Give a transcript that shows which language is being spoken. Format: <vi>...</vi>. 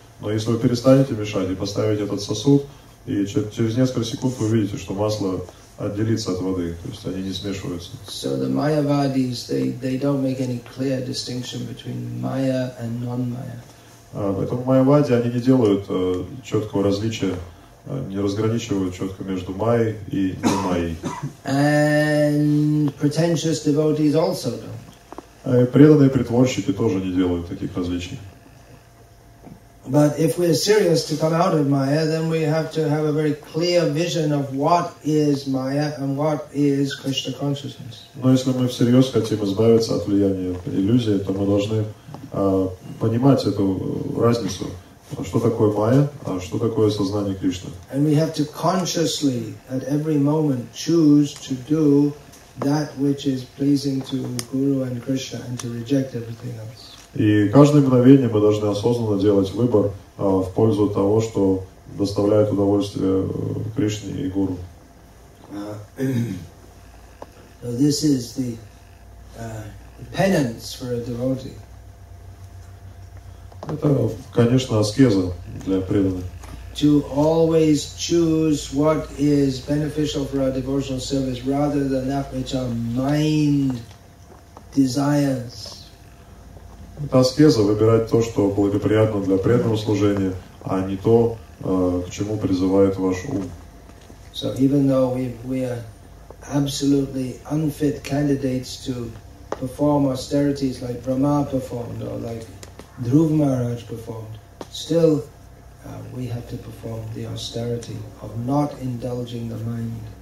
<ru>Но если вы перестанете мешать и поставите этот сосуд, и через несколько секунд вы увидите, что масло отделиться от воды, то есть они не смешиваются.</ru> <en>So the Mayavadis, they don't make any clear distinction between Maya and non-Maya.</en> <ru>Поэтому Майявади, они не делают четкого различия, не разграничивают четко между Майей и не Майей.</ru> <en>And pretentious devotees also don't.</en> <ru>преданные притворщики тоже не делают таких различий.</ru> <en>But if we are serious to come out of Maya, then we have to have a very clear vision of what is Maya and what is Krishna consciousness.</en> <ru>Но если мы всерьез хотим избавиться от влияния иллюзии, то мы должны понимать эту разницу, что такое Майя, а что такое сознание Кришны.</ru> <en>And we have to consciously at every moment choose to do that which is pleasing to Guru and Krishna and to reject everything else.</en> <ru>И каждое мгновение мы должны осознанно делать выбор в пользу того, что доставляет удовольствие Кришне и Гуру.</ru> <en>So this is the penance for a devotee.</en> <ru>Это, конечно, аскеза для преданных.</ru> <en>To always choose what is beneficial for our devotional service rather than that which our mind desires.</en> <ru>Это аскеза, выбирать то, что благоприятно для преданного служения, а не то, к чему призывает ваш ум.</ru> <en>So even though we are absolutely unfit candidates to perform austerities like Brahma performed or like Dhruv Maharaj performed, still we have to perform the austerity of not indulging the mind.</en>